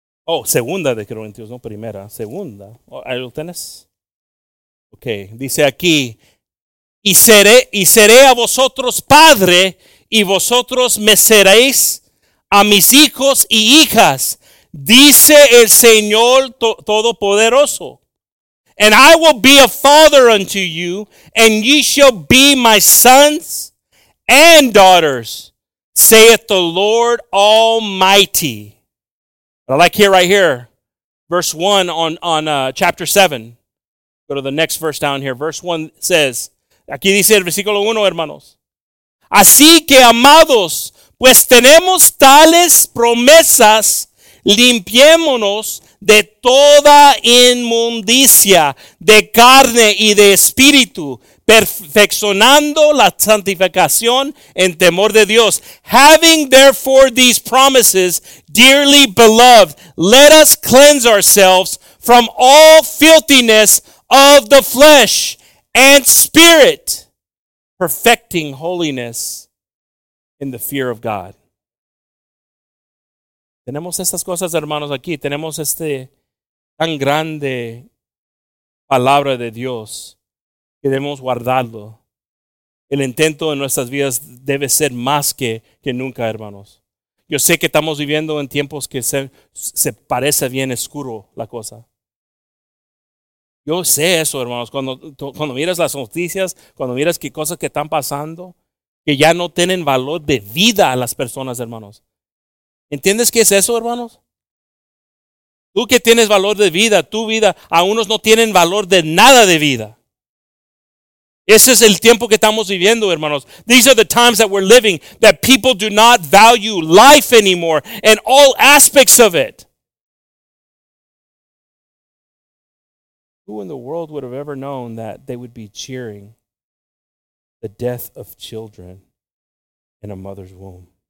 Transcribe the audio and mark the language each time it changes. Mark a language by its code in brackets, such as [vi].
[es] Oh, segunda de Corintios, no primera, segunda. ¿Lo tienes? Ok, dice aquí, y seré a vosotros padre, y vosotros me seréis a mis hijos y hijas, dice el Señor Todopoderoso. [en] And I will be a father unto you, and ye shall be my sons and daughters, saith the Lord Almighty. But I like here, right here, verse 1 chapter 7. Go to the next verse down here. Verse 1 says, [es] aquí dice el versículo 1, hermanos. Así que, amados, pues tenemos tales promesas, limpiémonos de toda inmundicia, de carne y de espíritu, perfeccionando la santificación en temor de Dios. [en] Having therefore these promises, dearly beloved, let us cleanse ourselves from all filthiness of the flesh and spirit, perfecting holiness in the fear of God. [es] Tenemos estas cosas, hermanos, aquí. Tenemos este tan grande palabra de Dios que debemos guardarlo. El intento en nuestras vidas debe ser más que nunca, hermanos. Yo sé que estamos viviendo en tiempos que se parece bien oscuro la cosa. Yo sé eso, hermanos. Cuando miras las noticias, cuando miras qué cosas que están pasando, que ya no tienen valor de vida a las personas, hermanos. ¿Entiendes qué es eso, hermanos? Tú que tienes valor de vida, tu vida, a unos no tienen valor de nada de vida. Ese es el tiempo que estamos viviendo, hermanos. [en] These are the times that we're living, that people do not value life anymore and all aspects of it. Who in the world would have ever known that they would be cheering the death of children in a mother's womb?